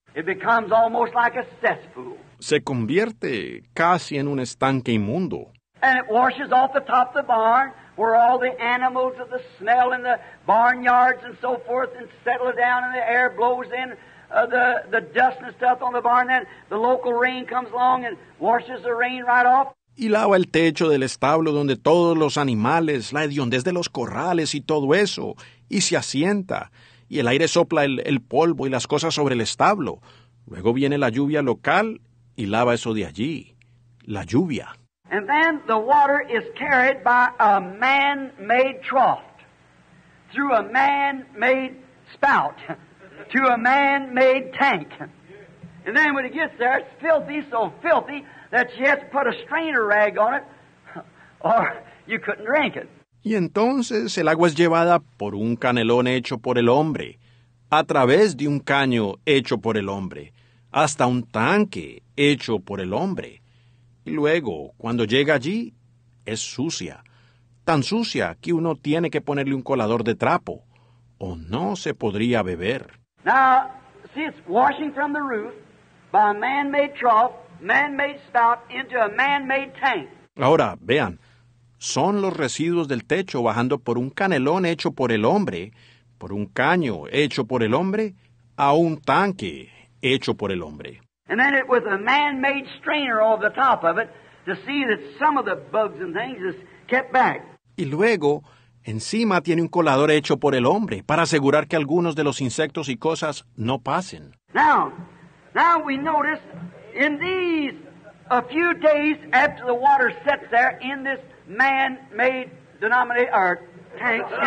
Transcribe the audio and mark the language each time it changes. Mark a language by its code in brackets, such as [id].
[en] It becomes almost like a cesspool. [es] Se convierte casi en un estanque inmundo. [en] And it washes off the top of the barn, where all the animals of the smell in the barnyards and so forth and settle down, and the air blows in the dust and stuff on the barn. Then the local rain comes along and washes the rain right off. [es] Y lava el techo del establo donde todos los animales, la hediondez de los corrales y todo eso, y se asienta. Y el aire sopla el polvo y las cosas sobre el establo. Luego viene la lluvia local y lava eso de allí. La lluvia. [en] And then the water is carried by a man-made trough through a man-made spout to a man-made tank. And then when it gets there, it's filthy, so filthy that you have to put a strainer rag on it or you couldn't drink it. [es] Y entonces el agua es llevada por un canelón hecho por el hombre, a través de un caño hecho por el hombre, hasta un tanque hecho por el hombre. Y luego, cuando llega allí, es sucia. Tan sucia que uno tiene que ponerle un colador de trapo, o no se podría beber. [en] Now, see, it's washing from the roof by a man-made trough, man-made spout into a man-made tank. [es] Ahora, vean, son los residuos del techo bajando por un canelón hecho por el hombre, por un caño hecho por el hombre, a un tanque hecho por el hombre. [en] And then it with a man-made strainer over the top of it to see that some of the bugs and things is kept back. [es] Y luego, encima tiene un colador hecho por el hombre para asegurar que algunos de los insectos y cosas no pasen. [en] Now we notice in these a few days after the water sets there in this man-made denominator tank.